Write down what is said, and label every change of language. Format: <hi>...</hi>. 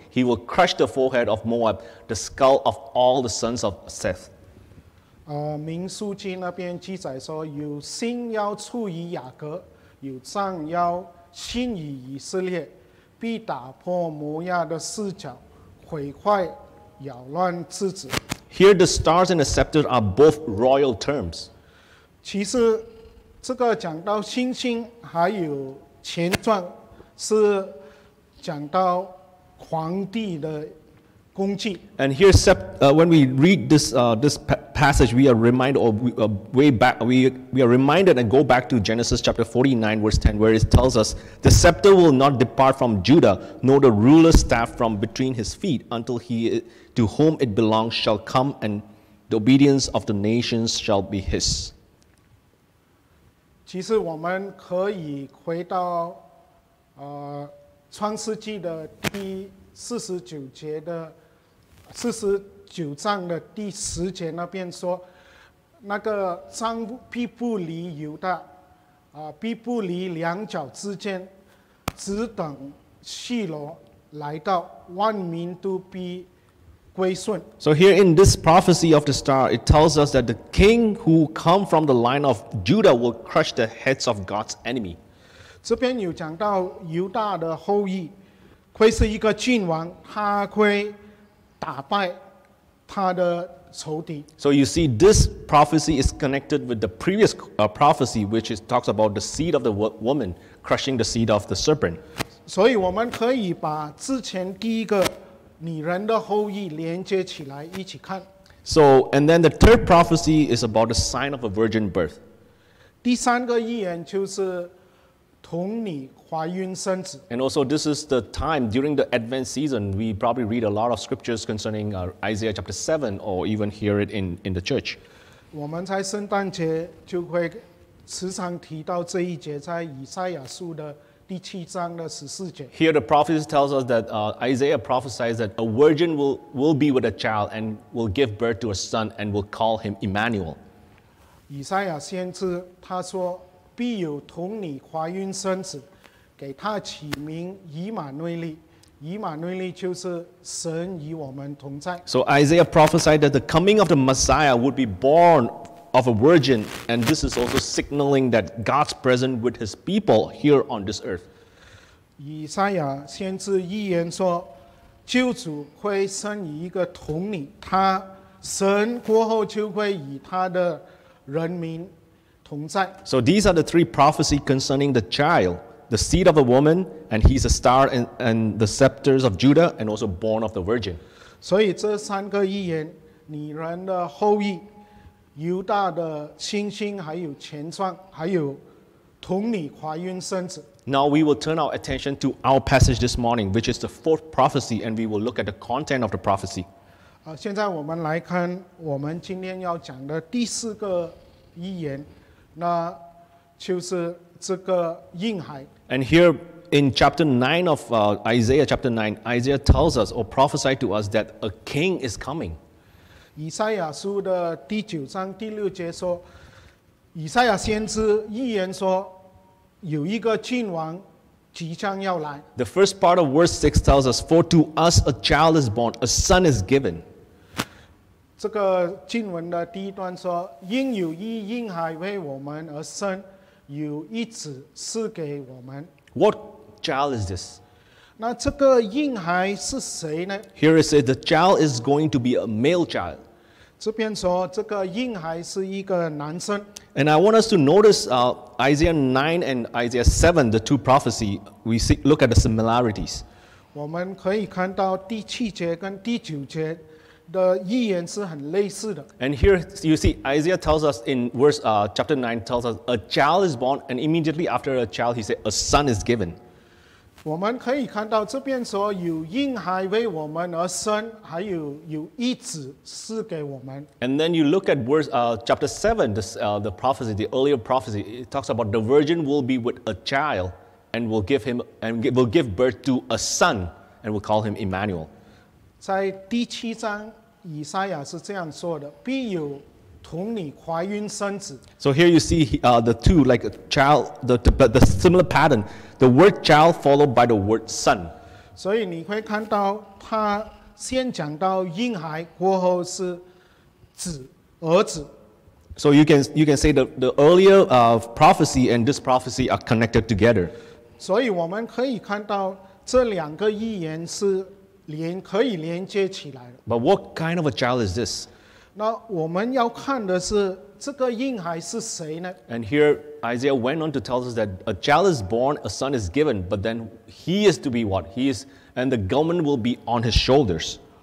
<en>He will crush the forehead of Moab, the skull of all the sons of Seth.</en> <zh>民数记那边记载说，有星要出于雅各，有杖要兴于以色列，必打破摩亚的四角，毁坏扰乱之子。</zh> <en>Here the stars and the scepter are both royal terms.</en> <zh>其实这个讲到星星还有权杖，是讲到皇帝的功绩。</zh> <en>And here, when we read this, this passage, we are reminded, or we, way back, we are reminded and go back to Genesis chapter 49, verse 10, where it tells us, the scepter will not depart from Judah, nor the ruler's staff from between his feet, until he to whom it belongs shall come, and the obedience of the nations shall be his.</en> <zh>其实我们可以回到创世纪的第四十九节的四十九章的第十节那边说，那个杖必不离犹大，必不离两脚之间，只等细罗来到，万民都必归顺。</zh> <en>So here in this prophecy of the star, it tells us that the king who come from the line of Judah will crush the heads of God's enemy.</en> <zh>这边有讲到犹大的后裔会是一个君王，他会打败他的仇敌。</zh> <en>So you see, this prophecy is connected with the previous prophecy, which is talks about the seed of the woman crushing the seed of the serpent.</en> <zh>所以我们可以把之前第一个女人的后裔连接起来一起看。</zh> <en>So, and then the third prophecy is about the sign of a virgin birth.</en> <zh>第三个预言就是同你怀孕生子。</zh> <en>And also, this is the time during the Advent season. We probably read a lot of scriptures concerning Isaiah chapter 7, or even hear it in the church.</en> <zh>我们在圣诞节就会时常提到这一节，在以赛亚书的第七章的十四节。</zh> <en>Here, the prophet tells us that Isaiah prophesies that a virgin will be with a child and will give birth to a son and will call him Emmanuel.</en> <zh>以赛亚先知他说，必有童女怀孕生子，给他起名以马内利。以马内利就是神与我们同在。</zh> <en>So Isaiah prophesied that the coming of the Messiah would be born of a virgin, and this is also signaling that God's presence with His people here on this earth.</en> <zh>以赛亚先知预言说，救主会生一个童女，他神过后就会与他的人民。</zh> <en>So these are the three prophecies concerning the child, the seed of a woman, and he's a star and the scepters of Judah, and also born of the virgin. So these three</en> <zh>预言，女人的后裔，犹大的星星，还有前传，还有童女怀孕生子。</zh> <en>Now we will turn our attention to our passage this morning, which is the fourth prophecy, and we will look at the content of the prophecy.</en> <zh>现在我们来看我们今天要讲的第四个预言。那就是这个婴孩。</zh> <en>And here in chapter 9 of Isaiah, chapter 9, Isaiah tells us or prophesied to us that a king is coming.</en> <zh>以赛亚书的第九章第六节说，以赛亚先知预言说，有一个君王即将要来。</zh> <en>The first part of verse 6 tells us, For to us a child is born, a son is given.</en> <zh>这个经文的第一段说，因有一婴孩为我们而生，有一子赐给我们。</zh> <en>What child is this?</en> <zh>那这个婴孩是谁呢？</zh> <en>Here it says the child is going to be a male child.</en> <zh>这边说这个婴孩是一个男生。</zh> <en>And I want us to notice Isaiah 9 and Isaiah 7, the two prophecy, we see, look at the similarities.</en> <zh>我们可以看到第七节跟第九节的预言是很类似的。</zh> <en>And here you see Isaiah tells us in verse chapter 9 tells us a child is born and immediately after a child he said a son is given.</en> <zh>我们可以看到这边说有婴孩为我们而生，还有有一子赐给我们。</zh> <en>And then you look at verse chapter 7 the prophecy, the earlier prophecy, it talks about the virgin will be with a child and will give him and will give birth to a son and will call him Emmanuel.</en> <zh>在第七章，以赛亚是这样说的：“必有童女怀孕生子。”</zh> <en>So here you see the two like a child, the similar pattern, the word child followed by the word son.</en> <zh>所以你会看到他先讲到婴孩，过后是子儿子。</zh> <en>So you can say the earlier prophecy and this prophecy are connected together.</en> <zh>所以我们可以看到这两个预言是。可以连接起来。</zh> <en>But what kind of a child is this?</en> <zh>那我们要看的是这个婴孩是谁呢？</zh> <en>And here Isaiah went on to tell us that a child is born, a son is given, but then he is to be what? He is and the government will be on his shoulders.</en>